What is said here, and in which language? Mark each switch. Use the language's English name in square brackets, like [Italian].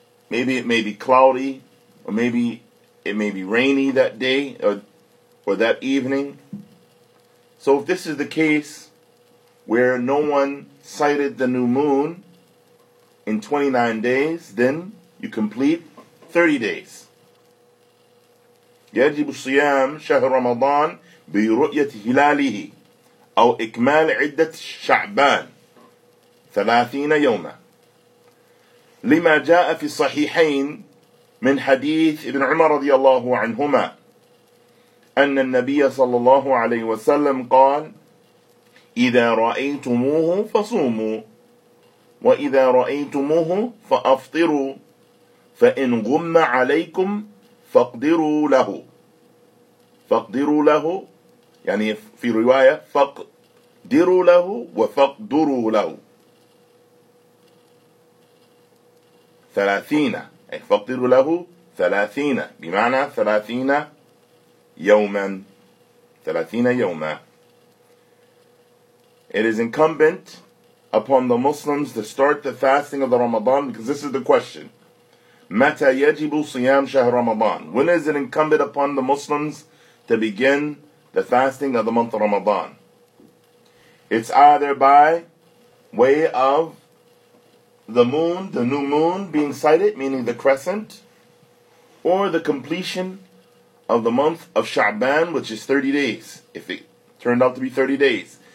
[English] Maybe it may be cloudy, or maybe it may be rainy that day or that evening. So if this is the case where no one sighted the new moon in 29 days, then you complete 30 days. [Arabic] يجب صيام شهر رمضان برؤية هلاله أو إكمال عدة شعبان 30 يوما، لما جاء في الصحيحين من حديث ابن عمر رضي الله عنهما أن النبي صلى الله عليه وسلم قال: إذا رأيتموه فصوموا، وإذا رأيتموه فأفطروا، فإن غم عليكم فاقدروا له. فَقْدِرُوا لَهُ، يعني في رواية فَقْدِرُوا لَهُ وَفَقْدُرُوا لَهُ 30، أي فَقْدِرُوا لَهُ 30، بمعنى 30 يوما، 30 يوما. [English] It is incumbent upon the Muslims to start the fasting of the Ramadan? Because this is the question. [Arabic] Mata yajibu siyam shahr Ramadan? [English] When is it incumbent upon the Muslims to begin the fasting of the month of Ramadan? It's either by way of the moon, the new moon being sighted, meaning the crescent, or the completion of the month of Sha'ban, which is 30 days, if it turned out to be 30 days.